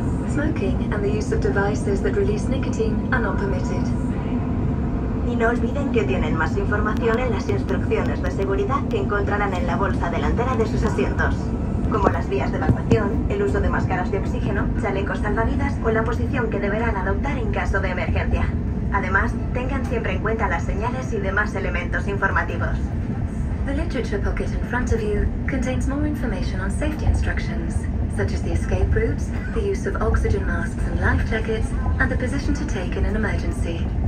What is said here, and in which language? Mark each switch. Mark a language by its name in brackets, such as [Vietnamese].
[English] Smoking and the use of devices that release nicotine are not permitted. [Spanish] Y no olviden que tienen más información en las instrucciones de seguridad que encontrarán en la bolsa delantera de sus asientos, como las vías de evacuación, el uso de máscaras de oxígeno, chalecos salvavidas o la posición que deberán adoptar en caso de emergencia. Además, tengan siempre en cuenta las señales y demás elementos informativos. [English] The literature pocket in front of you contains more information on safety instructions, such as the escape routes, the use of oxygen masks and life jackets, and the position to take in an emergency.